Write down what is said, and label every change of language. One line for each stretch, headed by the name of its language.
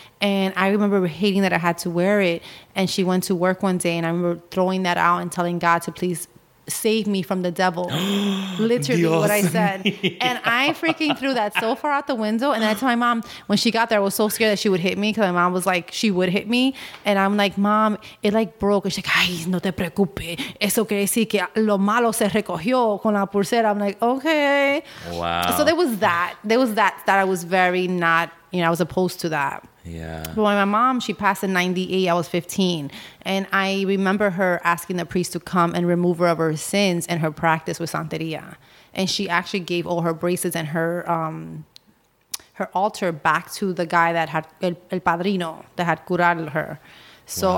English: And I remember hating that I had to wear it. And she went to work one day, and I remember throwing that out and telling God to please save me from the devil. Literally Dios what I said. And I freaking threw that so far out the window. And then I told my mom, when she got there, I was so scared that she would hit me, because my mom was like, she would hit me. And I'm like, mom, it like broke. And she's like,
Spanish: ay, no te preocupes. Eso quiere decir que lo malo se recogió con la pulsera.
English: I'm like, okay. Wow. So there was that. There was that I was very not, you know, I was opposed to that. Yeah. But when my mom, she passed in 98, I was 15. And I remember her asking the priest to come and remove her of her sins and her practice with Santeria. And she actually gave all her bracelets and her altar back to the guy that had, el padrino, that had curado her. So wow.